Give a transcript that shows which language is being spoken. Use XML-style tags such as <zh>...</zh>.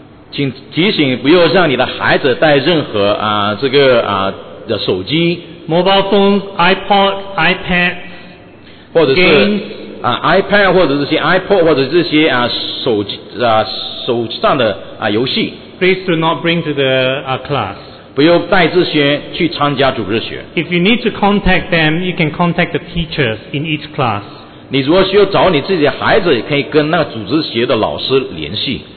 <zh>请提醒不要让你的孩子带任何的手机。</zh> <en>Mobile phones, iPod, iPad,</en> <zh>或者是</zh> <en>games,</en> <zh>iPad 或者这些 iPod 或者这些手机手上的游戏。</zh> <en>Please do not bring to the class.</en> <zh>不要带这些去参加主日学。</zh> <en>If you need to contact them, you can contact the teachers in each class.</en> <zh>你如果需要找你自己的孩子，也可以跟那个主日学的老师联系。</zh>